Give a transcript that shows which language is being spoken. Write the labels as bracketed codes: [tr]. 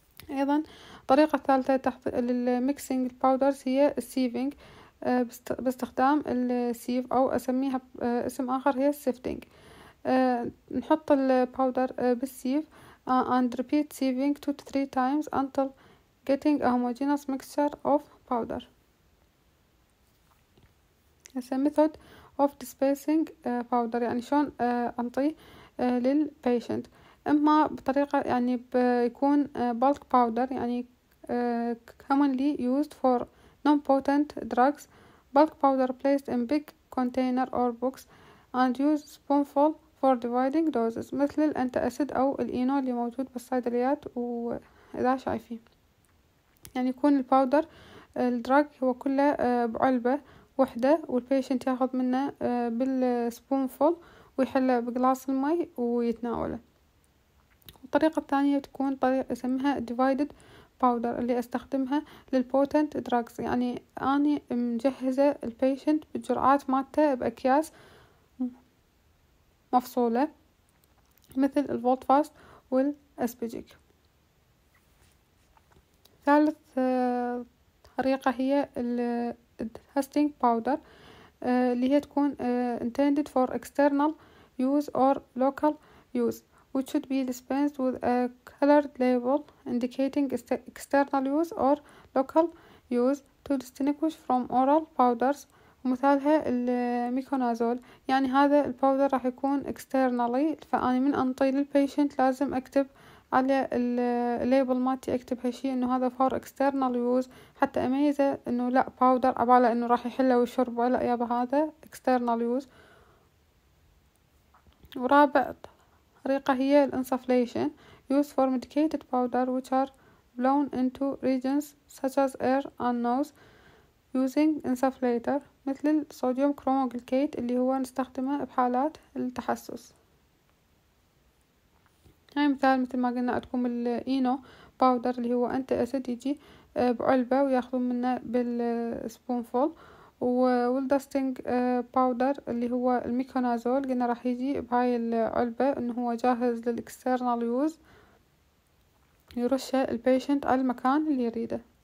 [ar] ايضا طريقة ثالثة للميكسينج الباودرز هي السيفينج باستخدام السيف، او اسميها اسم اخر هي السيفتينج. نحط الباودر بالسيف [en] and repeat sieving 2-3 times until getting a homogeneous mixture of powder. [ar] هسه [en] method of dispensing powder، [ar] يعني شلون انطي لل patient، اما بطريقة يعني بيكون [en] bulk powder، [ar] يعني [en] commonly used for non-potent drugs. bulk powder placed in big container or box and use spoonful for dividing doses، [ar] مثل الانتا اسيد او الاينول اللي موجود بالصيدليات، واذا شايفين يعني يكون الباودر الدراج هو كله بعلبة وحدة، والبيشنت ياخذ منه بالسبون فول ويحله بجلاس المي ويتناوله. الطريقة الثانية تكون طريقة اسمها [en] divided powder [ar] اللي استخدمها للبوتنت دراجز، يعني اني مجهزة البيشنت بالجرعات مالته باكياس مفصولة مثل الفولت فاست والاسبيجيك. ثالث طريقة هي الهاستينج باودر اللي هي تكون [en] intended for external use or local use which should be dispensed with a colored label indicating external use or local use to distinguish from oral powders. [ar] ومثالها الميكونازول، يعني هذا الباودر راح يكون externally، فأني من أنطي للبيشنت لازم أكتب على الليبل ماتي أكتب هالشي إنه هذا [en] for external use [ar] حتى أميزه إنه لا باودر عباله إنه راح يحله ويشربه، لا يابا هذا [en] external use. [ar] ورابع طريقة هي الانسفليشن، [en] use for medicated powder which are blown into regions such as ear and nose using insufflator [ar] مثل الصوديوم كروموغلكيت اللي هو نستخدمه بحالات التحسس. هاي مثال مثل ما قلنا عندكم الإينو باودر اللي هو أنت أسد يجي بعلبة وياخذون منه بالسبونفول، والدستينج باودر اللي هو الميكونازول قلنا راح يجي بهاي العلبة انه هو جاهز للإكسترنال يوز يرشه البيشنت على المكان اللي يريده.